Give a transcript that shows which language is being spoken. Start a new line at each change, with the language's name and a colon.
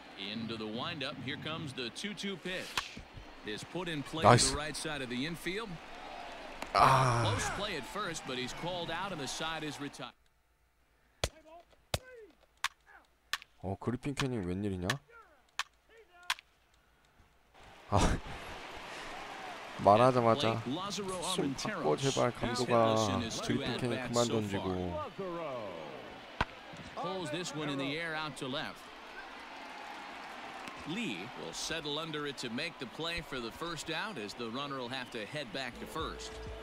English: Into the windup, here comes the 2-2 pitch. Is put in play to the right side of the infield. Close play at first, but he's called out and the side is retired.
Korean: 어, 그리핀 캐닝 웬일이냐? 아, 말하자마자 숨 바꿔 제발 감독아 그리핀 캐닝 그만 던지고.
English: Pulls this one in the air out to left. Lee will settle under it to make the play for the first out as the runner will have to head back to first.